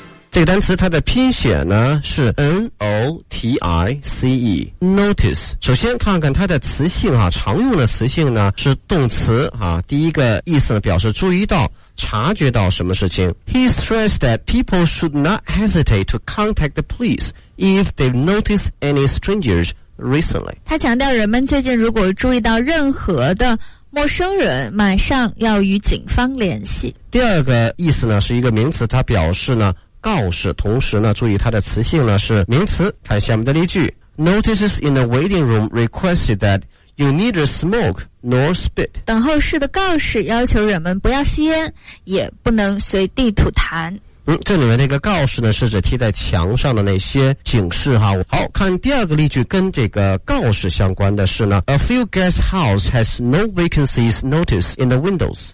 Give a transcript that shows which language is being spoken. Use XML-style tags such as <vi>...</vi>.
<zh>这个单词它的拼写呢是 N-O-T-I-C-E Notice。首先看看它的词性啊，常用的词性呢是动词啊，第一个意思呢表示注意到察觉到什么事情。</zh> <en>He stressed that people should not hesitate to contact the police if they've noticed any strangers recently。</en> <zh>他强调人们最近如果注意到任何的陌生人，马上要与警方联系。第二个意思呢是一个名词，它表示呢告示，同时呢注意它的词性呢是名词。看下面的例句。</zh> <en>Notices in the waiting room requested that you neither smoke nor spit。</en> <zh>等候室的告示要求人们不要吸烟也不能随地吐痰。这里面那个告示呢是指贴在墙上的那些警示哈。好，看第二个例句，跟这个告示相关的是呢</zh> <en>A few guest house has no vacancies notice in the windows。</en>